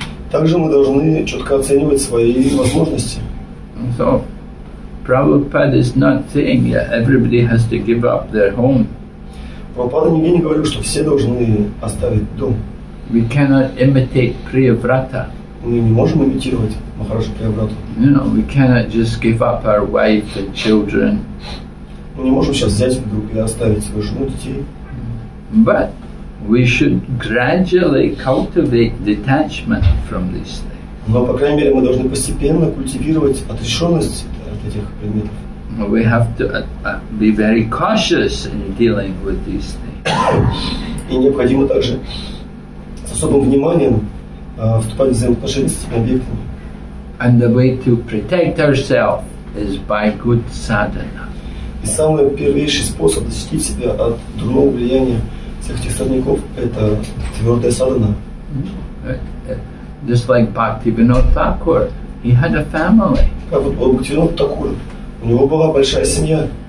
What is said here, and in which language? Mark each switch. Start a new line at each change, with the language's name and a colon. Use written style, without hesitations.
Russian: Также мы должны четко оценивать свои возможности.
English: So, Prabhupada is not saying that everybody has to give up their home.
Russian: Прабхупада нигде не говорил, что все должны оставить дом.
English: We cannot imitate Priyavrata.
Russian: Мы не можем имитировать Махараджа Приаврату.
English: You know, we cannot just give up our wife and children.
Russian: Мы не можем сейчас взять вдруг и оставить свою жену и детей.
English: But we should gradually cultivate detachment from these things.
Russian: Но, по крайней мере, мы должны постепенно культивировать отрешенность от этих предметов.
English: We have to be very cautious in dealing with these things.
Russian: И необходимо также с особым вниманием вступать в взаимоотношения с этими объектами.
English: And the way to protect ourselves is by good sadhana.
Russian: И самый первейший способ защитить себя от дурного влияния всех этих сорняков – это твердая садхана.
English: Just like Bhakti Vinod Thakur, he had a family.
Russian: Как вот Бхакти Винод Такур, у него была большая семья.